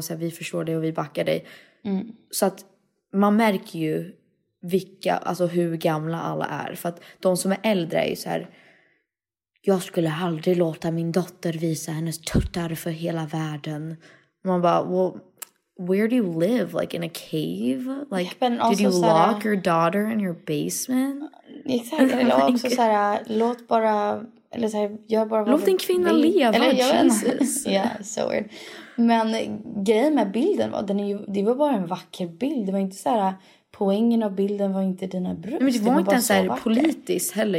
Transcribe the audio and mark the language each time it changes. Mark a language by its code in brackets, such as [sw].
[sv] Så här, vi förstår dig och vi backar dig. Mm. Så att... Man märker ju vilka, alltså hur gamla alla är. För att de som är äldre är ju så här. Jag skulle aldrig låta min dotter visa hennes tuttar för hela världen. [en] Man bara, well, where do you live? Like in a cave? Like, ja, did you lock your daughter in your basement? [sv] Exakt, eller också så här, låt bara... Eller så här, jag bara låt en kvinna leva, Jesus. Ja, så weird. Men grejen med bilden var, det var bara en vacker bild. Det var inte så här, poängen av bilden var inte dina bröst. Men det var inte ens så här politiskt heller.